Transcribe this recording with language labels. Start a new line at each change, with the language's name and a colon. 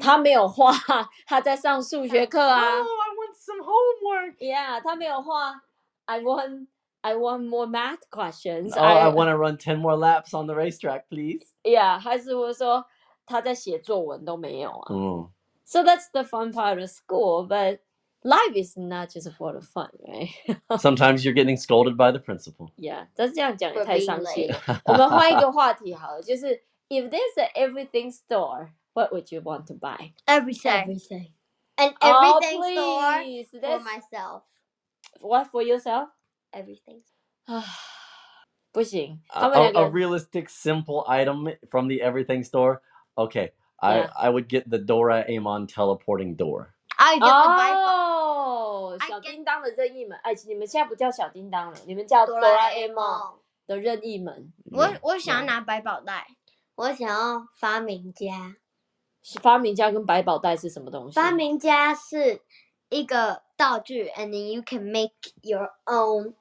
Chinese: 他没有画，他在上数学课啊。
English: Oh, I want some homework. Yeah. 他没有画。 I want more math questions. Oh, I want to run 10 more laps on the racetrack, please. Yeah.
Chinese: 还是我说他在写作文都没有啊。 Mm.
English: So that's the fun part of school, but. Life is not just for the fun, right? Sometimes you're getting scolded by the principal.
Chinese: Yeah, 但是这样讲也太伤心了。我们换一个话题好了，就是 if there's an everything store, what would you want to buy?
English: Everything. An everything store for myself. What for yourself? Everything.
Chinese: 不行。
English: A realistic, simple item from the everything store. Okay, I would get the Doraemon teleporting door. I get the Bible.
Chinese: Oh, 小叮当的任意门。哎，你们现在不叫小叮当了，你们叫哆啦 A 梦的任意门。我想要拿百宝袋，我想要发明家。发明家跟百宝袋是什么东西？发明家是一个道具 ， and then you can make your own.